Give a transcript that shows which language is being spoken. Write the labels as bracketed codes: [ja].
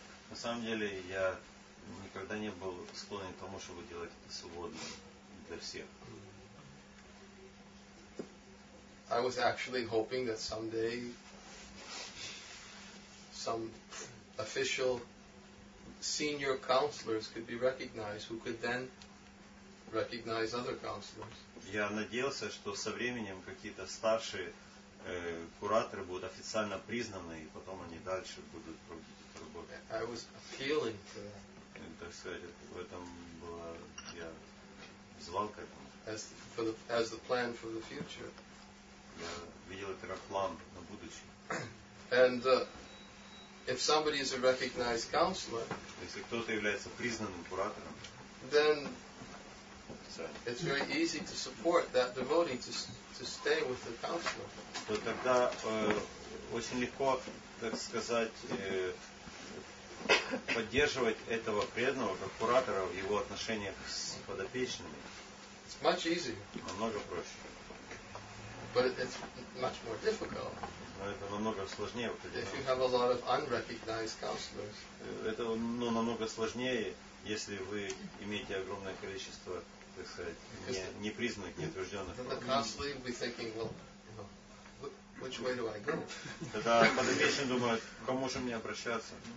[ru] На самом деле, я никогда не был склонен к тому, чтобы делать это свободно для всех. [en] I was actually hoping that someday some official senior counselors could be recognized, who could then recognize other counselors. [ru] Я надеялся, что со временем какие-то старшие кураторы будут официально признаны, и потом они дальше будут проводить эту работу. [en] I was appealing to that. [ru] Так сказать, в этом было, я звал к этому. [en] As the plan for the future. [ru] Я видел это как план на будущее. [en] And if somebody is a recognized counselor, [ru] если кто-то является признанным куратором, [en] then it's very easy to support that devotee to stay with the counselor. [ru] То тогда очень легко, так сказать, поддерживать этого преданного как куратора в его отношениях с подопечными. [en] It's much easier. [ru] Намного проще. [en] But it's much more difficult. [ru] Но это намного сложнее. [en] If you have a lot of unrecognized counselors. [ru] Это, ну, намного сложнее, если вы имеете огромное количество, так сказать, непризнанных, неутвержденных. [en] Then the counselor will be thinking, well, which way do I go? [ru] Тогда подопечные думают, к кому же мне обращаться?